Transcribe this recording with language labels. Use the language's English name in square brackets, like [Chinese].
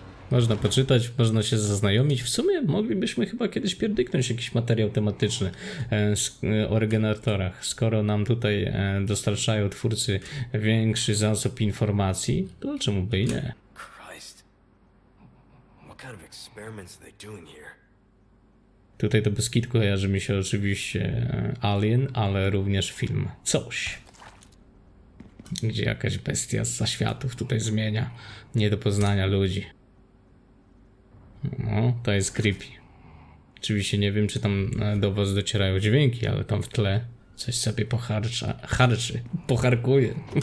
[Polish] Można poczytać, można się zaznajomić. W sumie moglibyśmy chyba kiedyś pierdyknąć jakiś materiał tematyczny o regeneratorach. Skoro nam tutaj dostarczają twórcy większy zasób informacji, to czemu by i nie? [English] Christ. What kind of experiments are they doing here? [Polish] Tutaj to bez kitu kojarzy mi się oczywiście Alien, ale również film Coś. Gdzie jakaś bestia z zaświatów tutaj zmienia nie do poznania ludzi. No, to jest creepy. Oczywiście nie wiem, czy tam do was docierają dźwięki, ale tam w tle coś sobie pocharcza, charczy, pocharkuje.